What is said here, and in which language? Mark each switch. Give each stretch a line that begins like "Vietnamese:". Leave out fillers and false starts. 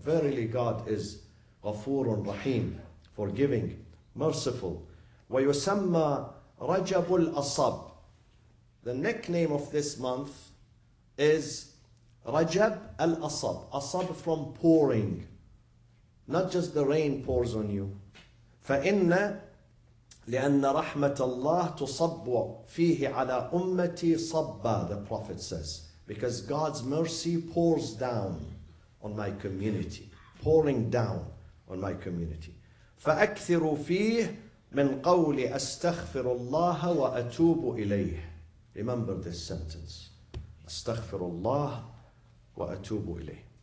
English: Verily God is
Arabic: غَفُورٌ رَحِيمٌ,
English: forgiving, merciful.
Arabic: وَيُسَمَّى رَجَبُ الْأَصَبِ.
English: The nickname of this month is Rajab al-Asab, Asab from pouring. Not just the rain pours on you.
Arabic: فَإِنَّ لِأَنَّ رَحْمَةَ اللَّهِ تُصَبُّ فِيهِ عَلَىٰ أُمَّتِي صَبَّ,
English: the Prophet says. Because God's mercy pours down on my community. Pouring down on my community.
Arabic: فَأَكْثِرُوا فِيهِ مِنْ قَوْلِ أَسْتَغْفِرُ اللَّهَ وَأَتُوبُ إِلَيْهِ.
English: Remember this sentence.
Arabic: أَسْتَغْفِرُ اللَّهَ وَأَتُوبُ إِلَيْهِ.